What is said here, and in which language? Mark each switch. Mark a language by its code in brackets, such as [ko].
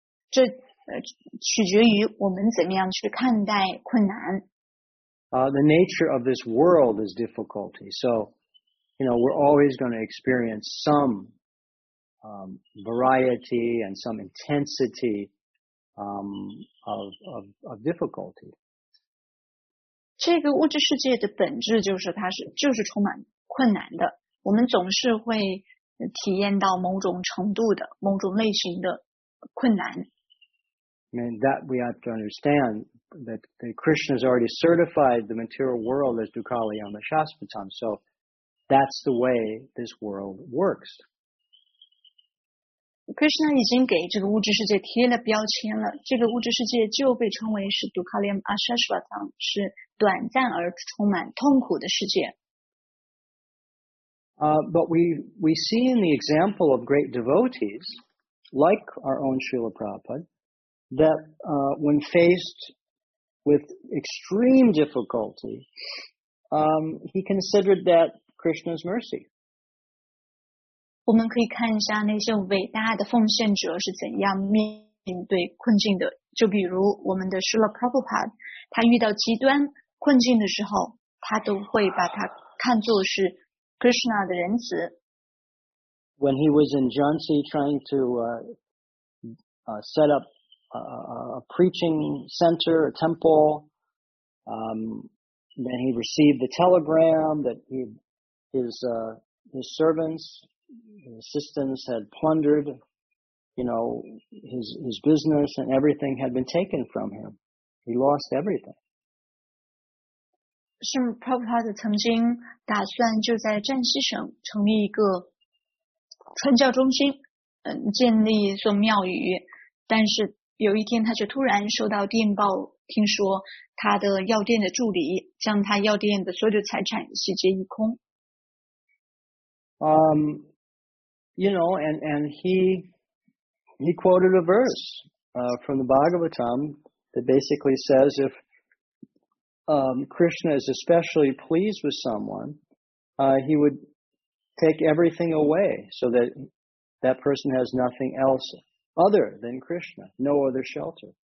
[zh] 这取决于我们怎么样去看待困难。 [en] The nature of this world is difficulty. So, you know, we're always going to experience some variety and some intensity of difficulty. [zh] 这个物质世界的本质就是它是充满困难的。我们总是会体验到某种程度的某种类型的困难。 [en] I mean, that we have to understand that the Krishna has already certified the material world as [sa] Dukkhalayama Shaspatam. [en] So that's the way this world works. [zh] Krishna 已经给这个物质世界贴了标签了，这个物质世界就被称为是 [sa] Dukkhalayama Shaspatam， [zh] 是短暂而充满痛苦的世界。 [en] But we see in the example of great devotees, like our own Srila Prabhupada, that when faced with extreme difficulty, he considered that Krishna's mercy. [zh] 我们可以看一下那些伟大的奉献者是怎样面对困境的。就比如我们的 Srila Prabhupada, 他遇到极端困境的时候，他都会把它看作是Krishna 的仁慈。 [en] When he was in Jhansi trying to set up a preaching center, a temple, then he received the telegram that his servants, his assistants had plundered, you know, his business and everything had been taken from him. He lost everything. [zh] 是 Prabhupada 曾经打算就在湛西省成立一个传教中心，建立一座庙宇，但是有一天他就突然收到电报，听说他的药店的助理将他药店的所有财产洗劫一空。 [en] You know, and he quoted a verse from the Bhagavatam that basically says ifKrishna is especially pleased with someone, he would take everything away so that that person has nothing else other than Krishna, no other shelter.